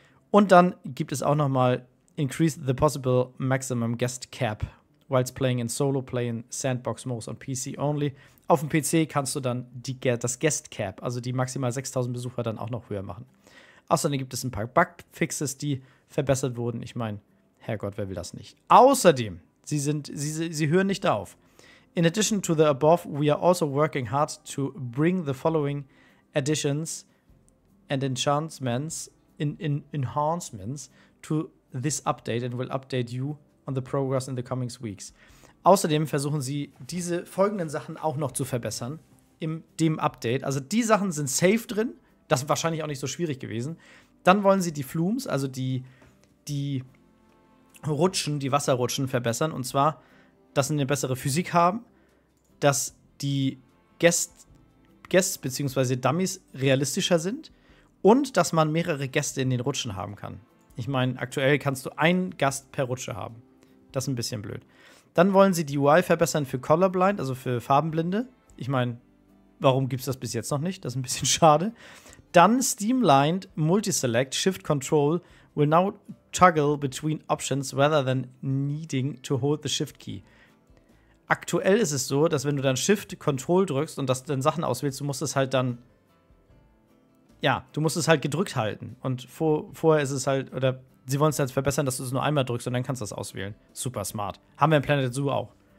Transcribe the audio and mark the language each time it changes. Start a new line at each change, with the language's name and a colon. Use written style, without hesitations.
German: Und dann gibt es auch noch mal
English: increase the possible maximum guest cap whilst playing in solo play in sandbox modes on PC only.
German: Auf dem PC kannst du dann das Guest Cap, also die maximal 6000 Besucher, dann auch noch höher machen. Außerdem gibt es ein paar Bugfixes, die verbessert wurden. Ich meine, Herrgott, wer will das nicht? Außerdem, sie hören nicht auf.
English: In addition to the above, we are also working hard to bring the following additions and enchantments enhancements to this update and will update you on the progress in the coming weeks.
German: Außerdem versuchen sie, diese folgenden Sachen auch noch zu verbessern in dem Update. Also die Sachen sind safe drin, das ist wahrscheinlich auch nicht so schwierig gewesen. Dann wollen sie die Flumes, also die Rutschen, die Wasserrutschen verbessern. Und zwar, dass sie eine bessere Physik haben, dass die Guests bzw. Dummies realistischer sind und dass man mehrere Gäste in den Rutschen haben kann. Ich meine, aktuell kannst du einen Gast per Rutsche haben. Das ist ein bisschen blöd. Dann wollen sie die UI verbessern für Colorblind, also für Farbenblinde. Ich meine, warum gibt es das bis jetzt noch nicht? Das ist ein bisschen schade.
English: Dann Streamlined Multiselect Shift Control will now toggle between options rather than needing to hold the Shift Key.
German: Aktuell ist es so, dass wenn du dann Shift Control drückst und das dann Sachen auswählst, du musst es halt dann. Ja, du musst es halt gedrückt halten. Und vorher ist es halt. Oder sie wollen es jetzt verbessern, dass du es nur einmal drückst und dann kannst du es auswählen. Super smart. Haben wir in Planet Zoo auch.